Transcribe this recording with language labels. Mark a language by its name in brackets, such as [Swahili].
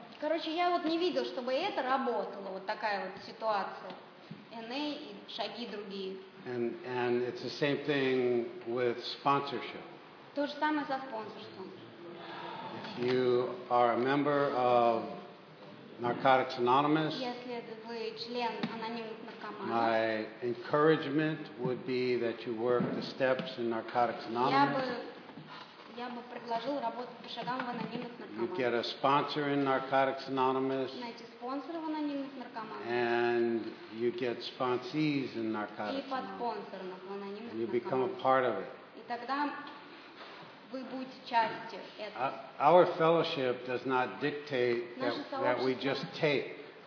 [Russian] Короче, я вот не видел, чтобы это работало, вот такая вот ситуация. NA и шаги другие. [English] And it's the same thing with sponsorship. [Russian] То же самое со спонсорством. [English] If you are a member of Narcotics Anonymous. [Russian] Если вы член анонимных наркоманов. [English] My encouragement would be that you work the steps in Narcotics Anonymous. [Russian] Я бы предложил работать по шагам в анонимных наркоманах. [English] You get a sponsor in Narcotics Anonymous. [Russian] Найти спонсора в анонимных наркоманах. [English] And you get sponsees in Narcotics [Russian] Anonymous. И подспонсоров в анонимных наркоманах. [English] And you become a part of it. [Russian] И тогда вы будете частью этого. [English] Our fellowship does not dictate that we just take.